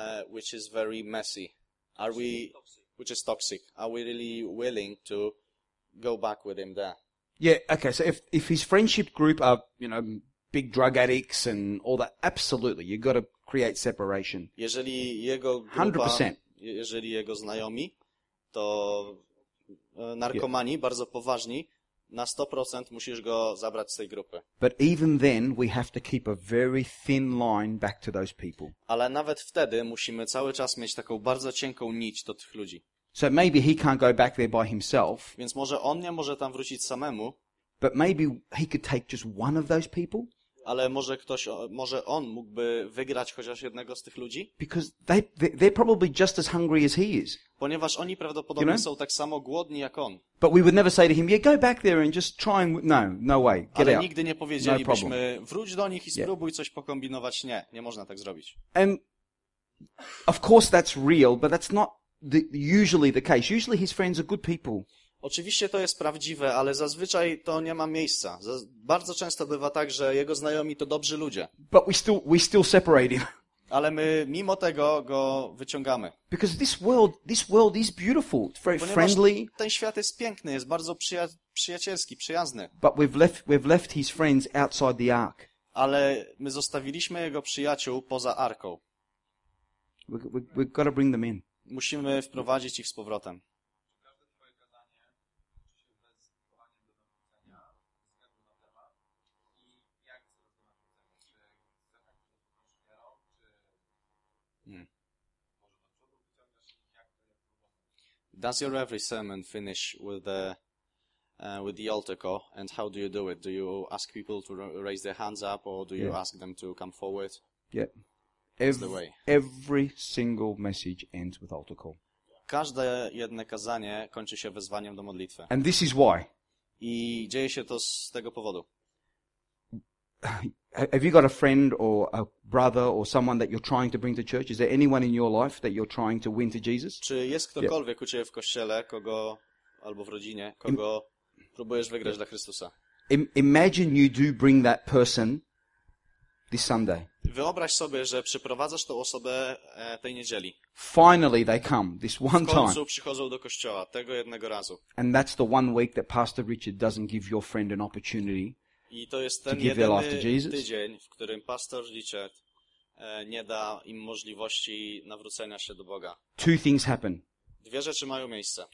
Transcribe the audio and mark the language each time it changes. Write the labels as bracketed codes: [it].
[en] Which is very messy. Are we? Which is toxic. Are we really willing to go back with him there? Yeah. Okay. So if his friendship group are, you know, big drug addicts and all that, absolutely, you've got to create separation. [pl] Jeżeli jego grupa, 100%. Jeżeli jego znajomi, to narkomani, [en] yep, [pl] bardzo poważni, na 100% musisz go zabrać z tej grupy. [en] But even then we have to keep a very thin line back to those people. [pl] Ale nawet wtedy musimy cały czas mieć taką bardzo cienką nić do tych ludzi. [en] So maybe he can't go back there by himself. [pl] Więc może on nie może tam wrócić samemu. [en] But maybe he could take just one of those people. [pl] Ale może ktoś, może on mógłby wygrać chociaż jednego z tych ludzi? [en] Because they're probably just as hungry as he is. [pl] Ponieważ oni prawdopodobnie [en] you know? [pl] Są tak samo głodni jak on. [en] But we would never say to him, yeah, go back there and just try and no, no way, get [pl] Ale [en] out. [pl] Nigdy nie powiedzielibyśmy, no wróć do nich i spróbuj coś pokombinować. Nie, nie można tak zrobić. [en] And of course that's real, but that's not the, usually the case. Usually his friends are good people. [pl] Oczywiście to jest prawdziwe, ale zazwyczaj to nie ma miejsca. Bardzo często bywa tak, że jego znajomi to dobrzy ludzie. [en] But we still separate him. [pl] Ale my mimo tego go wyciągamy. [en] Because this world is beautiful, very friendly. [pl] Ponieważ ten świat jest piękny, jest bardzo przyjacielski, przyjazny. [en] But we've left his friends outside the ark. [pl] Ale my zostawiliśmy jego przyjaciół poza arką. [en] We've got to bring them in. [pl] Musimy wprowadzić ich z powrotem. [en] Does your every sermon finish with the altar call, and how do you do it? Do you ask people to raise their hands up, or do you ask them to come forward? Yeah. Every single message ends with altar call. [pl] Każde jedne kazanie kończy się wezwaniem do modlitwy. [en] And this is why. [pl] I dzieje się to z tego powodu. [en] Have you got a friend or a brother or someone that you're trying to bring to church? Is there anyone in your life that you're trying to win to Jesus? [pl] Czy jest ktokolwiek u ciebie w kościele, kogo albo w rodzinie, kogo próbujesz wygrać dla Chrystusa? [en] Imagine you do bring that person this Sunday. [pl] Wyobraź sobie, że przyprowadzasz tą osobę tej niedzieli. [en] Finally they come this one time. [pl] W końcu przychodzą do kościoła tego jednego razu. [en] And that's the one week that Pastor Richard doesn't give your friend an opportunity. [pl] I to jest ten jedyny tydzień, w którym pastor Richard nie da im możliwości nawrócenia się do Boga. [en] Two things happen. [pl] Dwie rzeczy mają miejsce.